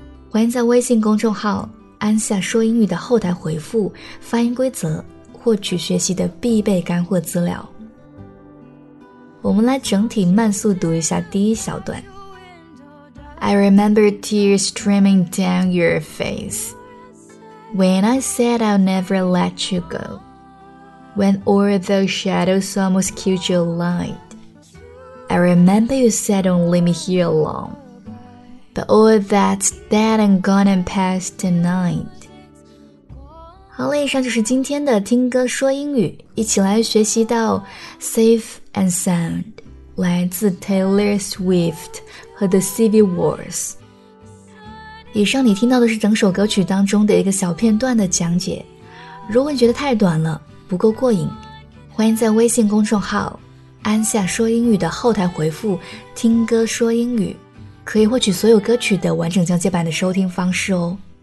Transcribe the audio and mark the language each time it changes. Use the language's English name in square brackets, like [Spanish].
[Chinese] 欢迎在微信公众号安夏说英语的后台回复发音规则获取学习的必备干货资料我们来整体慢速读一下第一小段 [English] I remember tears streaming down your face when I said I'll never let you go. When all those shadows almost killed your light. I remember you said don't leave me here alone. But all that's dead and gone and passed tonight. [Chinese] 好了，以上就是今天的听歌说英语，一起来学习到 safe and sound， 来自 Taylor Swift。和 The Civil Wars 以上你听到的是整首歌曲当中的一个小片段的讲解如果你觉得太短了不够过瘾欢迎在微信公众号安夏说英语的后台回复听歌说英语可以获取所有歌曲的完整讲解版的收听方式哦